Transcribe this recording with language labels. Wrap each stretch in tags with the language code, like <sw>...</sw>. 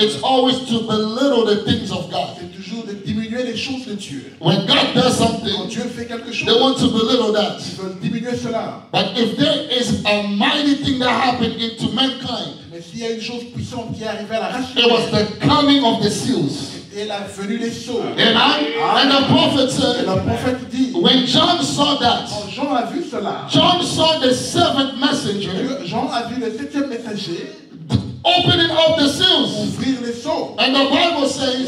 <en>is always to belittle the things of God.</en> <fr>De diminuer les choses de Dieu.</fr> <en>When God does something,</en> <fr>quand Dieu fait quelque chose,</fr> <en>they want to belittle that.</en> <fr>Ils veulent diminuer cela.</fr> <en>But if there is a mighty thing that happened into mankind,</en> <fr>mais s'il y a une chose puissante qui est arrivée à la race humaine,</fr> <en>it was the coming of the seals.</en> <fr>Et la venue des sceaux.</fr> <en>Amen. Amen. And the prophet said,</en> <fr>le prophète dit,</fr> <en>when John saw that,</en> <fr>quand Jean a vu cela,</fr> <en>John saw the seventh messenger,</en> <fr>Jean a vu le septième messager,</fr> <en>opening up the seals. And the Bible says,</en>